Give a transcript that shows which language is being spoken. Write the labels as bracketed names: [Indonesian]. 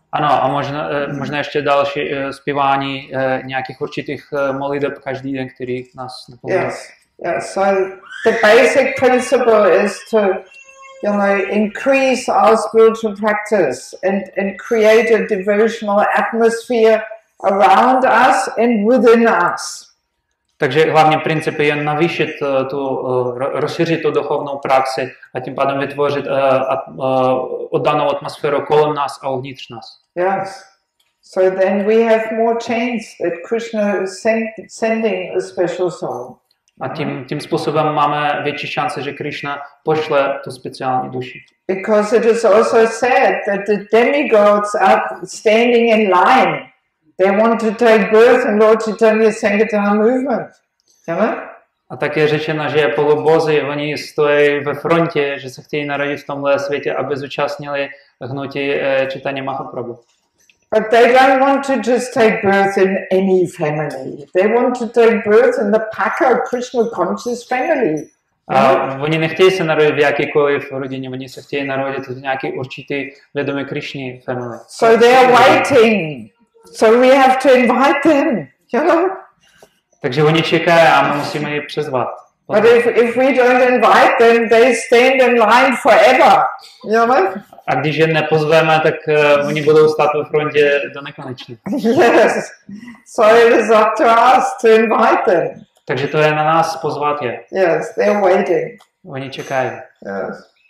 [Czech] Ano, a možná ještě další zpívání nějakých určitých modliteb každý den, který nás napomíná. [English] Yes, yes, so the basic principle is to, you know, increase our spiritual practice and create a devotional atmosphere around us and within us. [Czech] Takže hlavní princip je navýšit tu rozšířit tu duchovnou praxi a tím pádem vytvořit oddanou atmosféru kolem nás a uvnitř nás. [English] Yes. So then we have more chance that Krishna is sending a special soul. [Czech] A tím způsobem máme větší šance, že Krishna pošle tu speciální duši. [English] Because it is also said that the demigods are standing in line. They want to take birth in Lord Chaitanya's Sankirtana movement. [Czech] A tak je řečeno, že polubozy, oni stojí ve frontě, že se chtějí narodit v tomhle světě, aby zúčastnili hnutí Chaitanya Mahaprabhu. [English] But they don't want to just take birth in any family. They want to take birth in the Paka Krishna conscious family. [Czech] A oni nechtějí se narodit v jakékoliv rodině, oni se chtějí narodit v nějaké určité vědomé [English] Krishna family. So they are waiting. So we have to invite them. You know? [Czech] Takže oni čekají a my musíme je přizvat. [English] But if we don't invite them, they stand in line forever. You know? [Czech] A když je nepozveme, tak oni budou stát ve frontě do nekonečna. [English] Yes. So it is up to us to invite them. [Czech] Takže to je na nás pozvat je. [English] Yes, they are waiting. [Czech] Oni čekají. [English] Yes.